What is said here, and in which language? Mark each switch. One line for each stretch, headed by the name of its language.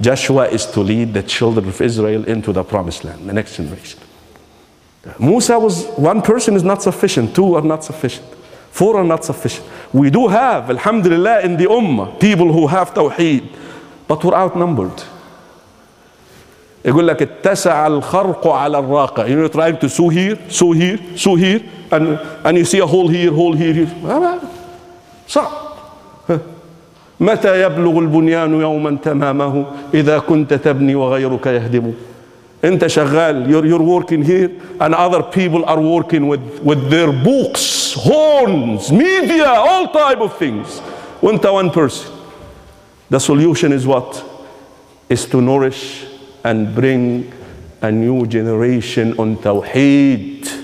English: Joshua is to lead the children of Israel into the promised land, the next generation. Musa was one person is not sufficient, two are not sufficient, four are not sufficient. We do have, alhamdulillah, in the ummah, people who have tawheed, but we're outnumbered.
Arabic: يقول لك اتسع الخرق على الراقة.
English: You know, trying to sew here, sew here, sew here, and you see a hole here, hole here, here.
Arabic: صعب. متى يبلغ البنيان يوما تمامه إذا كنت تبني وغيرك يهدم. أنت شغال,
English: you're working here, and other people are working with their books, horns, media, all type of things.
Arabic: وأنت
English: one person. The solution is what? Is to nourish and bring a new generation on Tawheed.